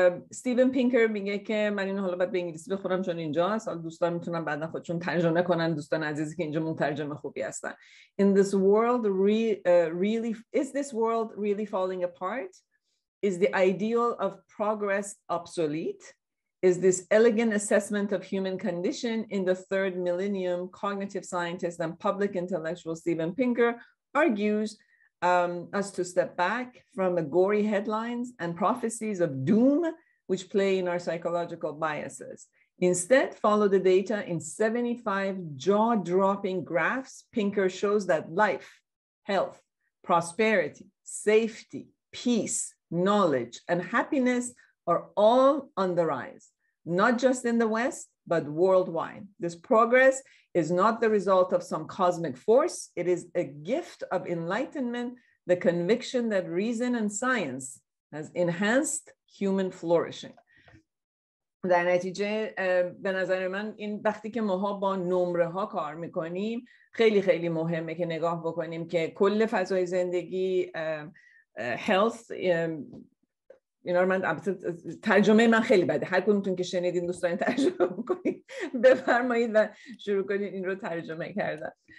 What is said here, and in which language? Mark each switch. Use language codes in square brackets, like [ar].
[fa] استیون پینکر میگه که من اینو حالا باید به انگلیسی بخونم چون اینجا هست، حالا دوستان میتونن بعدا خودشون ترجمه کنن، دوستان عزیزی که اینجا مترجمه خوبی هستن. [en] In this world is this world really falling apart? Is the ideal of progress obsolete? Is this elegant assessment of human condition in the third millennium? Cognitive scientist and public intellectual Steven Pinker argues us to step back from the gory headlines and prophecies of doom, which play in our psychological biases. Instead, follow the data in 75 jaw-dropping graphs. Pinker shows that life, health, prosperity, safety, peace, knowledge, and happiness are all on the rise. Not just in the West, but worldwide. This progress is not the result of some cosmic force. It is a gift of enlightenment, the conviction that reason and science has enhanced human flourishing. [fa] در نتیجه به نظر من این وقتی که ماها با نمره ها کار میکنیم خیلی خیلی مهمه که نگاه بکنیم که کل فضای زندگی health اینا رو من ترجمه من خیلی بده، هر کدومتون که شنیدین دوست دارین ترجمه بکنید بفرمایید و شروع کنید این رو ترجمه کردن.